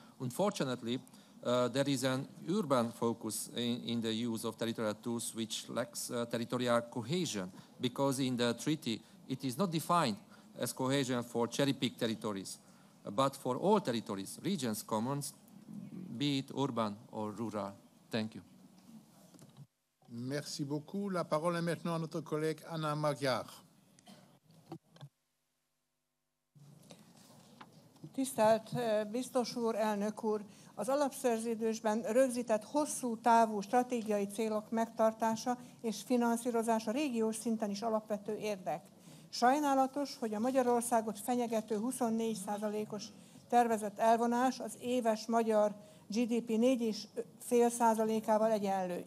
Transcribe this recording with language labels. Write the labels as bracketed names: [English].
[English] Unfortunately, there is an urban focus in the use of territorial tools which lacks territorial cohesion, because in the treaty it is not defined as cohesion for cherry-picked territories, but for all territories, regions, commons, be it urban or rural. Thank you. [French] Merci beaucoup. La parole est maintenant à notre collègue Anna Magyar. [Hungarian] Tisztelt biztos úr, elnök úr, az alapszerződésben rögzített hosszú távú stratégiai célok megtartása és finanszírozása régiós szinten is alapvető érdek. Sajnálatos, hogy a Magyarországot fenyegető 24%-os tervezett elvonás az éves magyar GDP 4,5%-ával egyenlő.